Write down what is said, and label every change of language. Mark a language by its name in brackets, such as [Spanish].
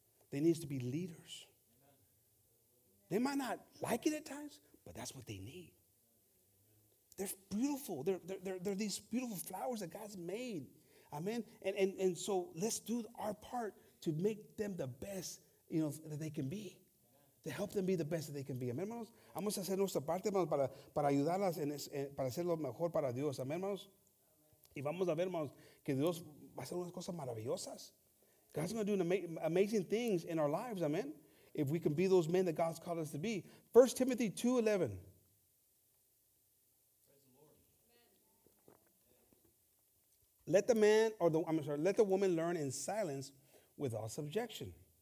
[English] They need to be leaders. They might not like it at times, but that's what they need. They're beautiful. They're these beautiful flowers that God's made. Amen. And so let's do our part to make them the best, you know, that they can be. To help them be the best that they can be. [Spanish] Amen, hermanos. Vamos a hacer nuestra parte, hermanos, para ayudarlas para hacer lo mejor para Dios. Amen, hermanos. Y vamos a ver, hermanos, que Dios va a hacer unas cosas maravillosas. [English] God's going to do amazing things in our lives, amen, if we can be those men that God's called us to be. 1 Timothy 2:11. Let the man, let the woman learn in silence with all subjection.